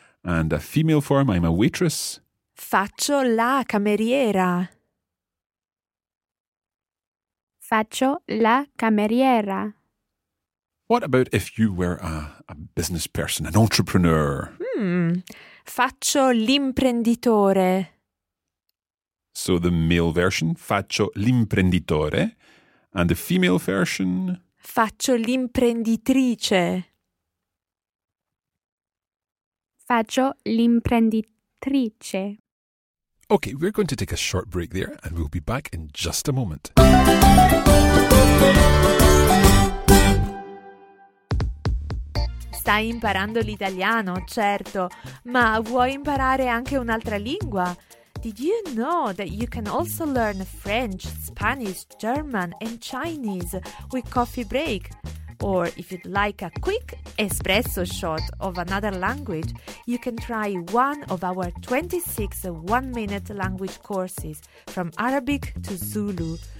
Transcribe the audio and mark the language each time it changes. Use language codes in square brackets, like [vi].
[en] And a female form, I'm a waitress. [it] Faccio la cameriera. Faccio la cameriera. [en] What about if you were a business person, an entrepreneur? [it] Faccio l'imprenditore. [en] So the male version, [it] faccio l'imprenditore. [en] And the female version? [it] Faccio l'imprenditrice. Faccio l'imprenditrice. [en] Okay, we're going to take a short break there and we'll be back in just a moment. [it] Stai imparando l'italiano, certo, ma vuoi imparare anche un'altra lingua? [en] Did you know that you can also learn French, Spanish, German and Chinese with Coffee Break? Or if you'd like a quick espresso shot of another language, you can try one of our 26 one-minute language courses from Arabic to Zulu.